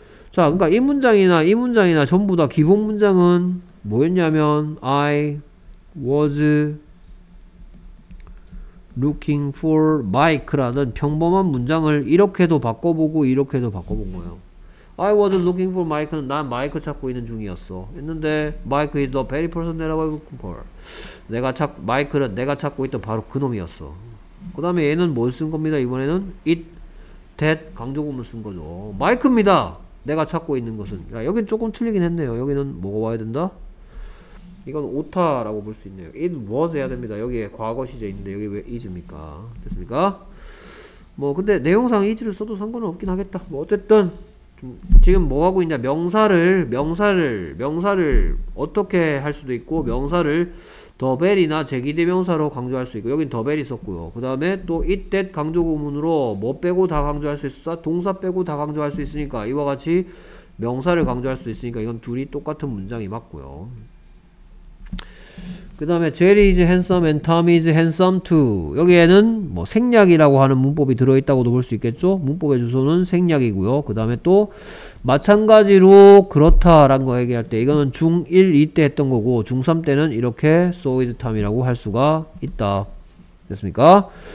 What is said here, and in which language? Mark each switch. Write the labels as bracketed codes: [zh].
[ko] 자 그러니까 이 문장이나 전부 다 기본 문장은 뭐였냐면 [en] I was looking for Mike [ko] 라는 평범한 문장을 이렇게도 바꿔보고 이렇게도 바꿔본 거예요. [en] I was looking for Mike [ko] 는 난 마이크 찾고 있는 중이었어. 했는데 [en] Mike is the very person that I was looking for. [ko] 마이크는 내가 찾고 있던 바로 그 놈이었어. 그 다음에 얘는 뭘 쓴 겁니다. 이번에는 It that 강조구문 쓴 거죠. 마이크입니다. 내가 찾고 있는 것은. 야, 여긴 조금 틀리긴 했네요. 여기는 뭐가 와야 된다? 이건 오타라고 볼 수 있네요. [en] It was [ko] 해야 됩니다. 여기에 과거 시제 있는데 여기 왜 is입니까? 됐습니까? 뭐 근데 내용상 is를 써도 상관은 없긴 하겠다. 뭐 어쨌든 지금 뭐 하고 있냐? 명사를 어떻게 할 수도 있고 명사를 더벨이나 제기대명사로 강조할 수 있고 여긴 더벨이 썼고요. 그 다음에 또 it, that 강조구문으로 뭐 빼고 다 강조할 수 있어? 동사 빼고 다 강조할 수 있으니까 이와 같이 명사를 강조할 수 있으니까 이건 둘이 똑같은 문장이 맞고요. 그 다음에 [en] Jerry is handsome and Tom is handsome too. [ko] 여기에는 뭐 생략이라고 하는 문법이 들어있다고도 볼 수 있겠죠. 문법의 주소는 생략이고요. 그 다음에 또 마찬가지로 그렇다란 거 얘기할 때 이거는 중1, 2때 했던 거고 중3 때는 이렇게 [en] so is Tom [ko] 이라고 할 수가 있다. 됐습니까?